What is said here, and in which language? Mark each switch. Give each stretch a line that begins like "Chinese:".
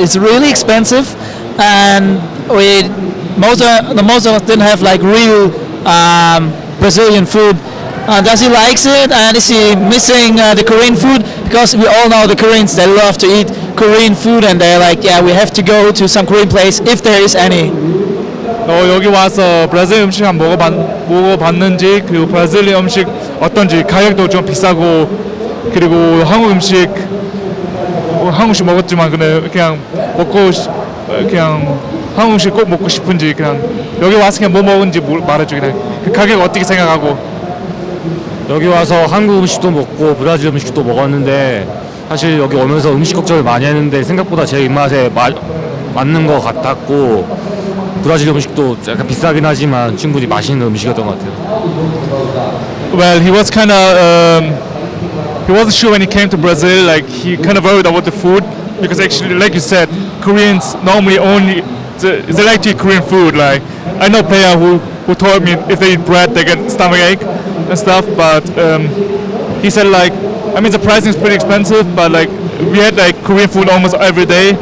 English: It's really expensive and most of us didn't have like real Brazilian food. Does he like it and is he missing the Korean food? Because we all know the Koreans, they love to eat Korean food and they're like, yeah, we have to go to some Korean place if there is any.
Korean: 여기 와서 브라질 음식 한번 먹어봤는지 그리고 브라질 음식 어떤지 가격도 좀 비싸고 그리고 한국 음식 먹었지만 그냥 먹고 그냥 한국 음식 꼭 먹고 싶은지 그냥 여기 와서 그냥 뭐 먹은지 말해줘 그냥 그 가격 어떻게 생각하고 여기 와서 한국 음식도 먹고 브라질 음식도 먹었는데 사실 여기 오면서 음식 걱정을 많이 했는데 생각보다 제 입맛에 맞는 것 같았고 브라질 음식도 약간 비싸긴 하지만 충분히 맛있는 음식이었던 것 같아요.
English: Well, he was kind of he wasn't sure when he came to Brazil. Like he kind of worried about the food because actually, like you said, Koreans normally only they like to eat Korean food. Like I know player who told me if they eat bread they get stomach ache and stuff. But he said like I mean the pricing is pretty expensive, but like we had like Korean food almost every day.